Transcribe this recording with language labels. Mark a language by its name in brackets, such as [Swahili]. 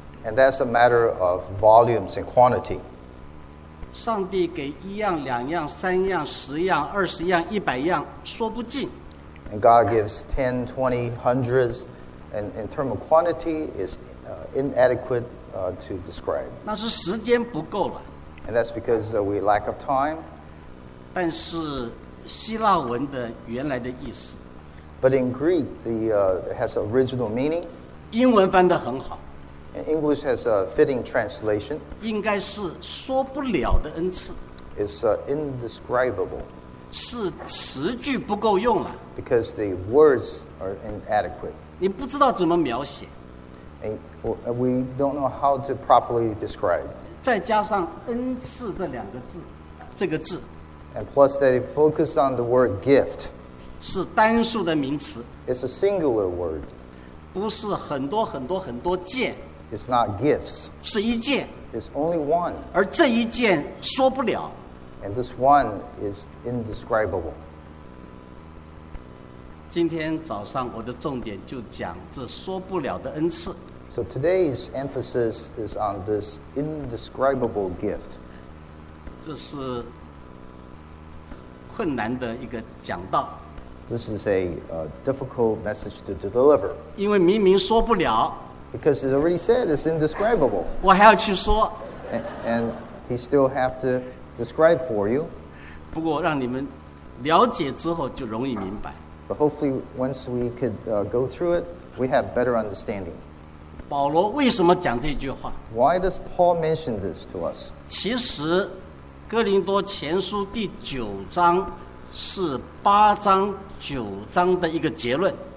[English] and that's a matter of volumes and quantity [Chinese] 上帝给一样两样三样十样二十样一百样说不尽 [English] and God gives 10, 20, hundreds and in terms of quantity is inadequate to describe [Chinese] 那是时间不够了 [English] and that's because we lack of time [Chinese] 但是希腊文的原来的意思 [English] but in Greek the, has original meaning [Chinese] 英文翻得很好 [English] English has a fitting translation. [Chinese] 应该是说不了的恩赐。 [English] It's indescribable. [Chinese] 是词句不够用了。 [English] Because the words are inadequate. [Chinese] 你不知道怎么描写。 [English] And we don't know how to properly describe. [Chinese] 再加上恩赐这两个字，这个字。 [English] And plus that it focuses on the word gift. [Chinese] 是单数的名词。 [English] It's a singular word. [Chinese] 不是很多很多很多件。 [English] It's not gifts. [Chinese] 是一件。 [English] It's only one. [Chinese] 而这一件说不了。 [English] And this one is indescribable. [Chinese] 今天早上我的重点就讲这说不了的恩赐。 [English] So today's emphasis is on this indescribable gift. [Chinese] 这是困难的一个讲道。 [English] This is a difficult message to deliver. [Chinese] 因为明明说不了。 [English] Because it's already said, it's indescribable. [Chinese] 我还要去说。 [English] And he still have to describe for you. [Chinese] 不过让你们了解之后就容易明白。 [English] But hopefully, once we could go through it, we have better understanding. [Chinese] 保罗为什么讲这句话？ [English] Why does Paul mention this to us? [Chinese] 其实，哥林多前书第九章是八章九章的一个结论。